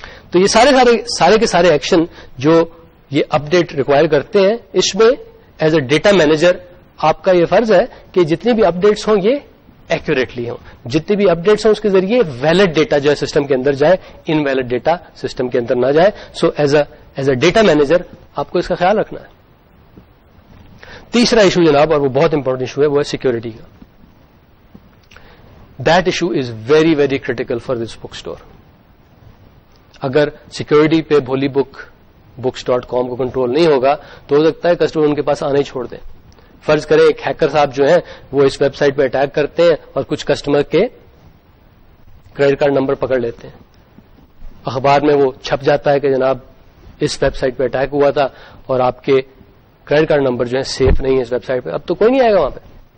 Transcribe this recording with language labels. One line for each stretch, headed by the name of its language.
Urdu: تو یہ سارے کے سارے ایکشن جو یہ اپ ڈیٹ ریکوائر کرتے ہیں, اس میں
English: as a data manager
Urdu: آپ کا یہ فرض ہے کہ جتنی بھی اپ ڈیٹس ہوں یہ ایکوریٹلی ہوں, جتنی بھی اپ ڈیٹس ہوں اس کے ذریعے ویلڈ ڈیٹا جو ہے سسٹم کے اندر جائے, انویلڈ ڈیٹا سسٹم کے اندر نہ جائے.
English: so as a data manager
Urdu: آپ کو اس کا خیال رکھنا ہے. تیسرا ایشو جناب, اور وہ بہت امپورٹنٹ ایشو ہے, وہ ہے سیکیورٹی کا.
English: That issue is very very critical for this bookstore.
Urdu: اگر security پہ بھولی بک بکس ڈاٹ کام کو کنٹرول نہیں ہوگا تو ہو سکتا ہے کسٹمر ان کے پاس آنے ہی چھوڑ دیں. فرض کریں ایک ہیکر صاحب جو ہیں وہ اس ویب سائٹ پہ اٹیک کرتے ہیں اور کچھ کسٹمر کے کریڈٹ کارڈ نمبر پکڑ لیتے ہیں, اخبار میں وہ چھپ جاتا ہے کہ جناب اس ویب سائٹ پہ اٹیک ہوا تھا اور آپ کے کریڈٹ کارڈ نمبر جو ہے سیف نہیں ہے اس ویب سائٹ پہ, اب تو کوئی نہیں آئے گا وہاں پہ.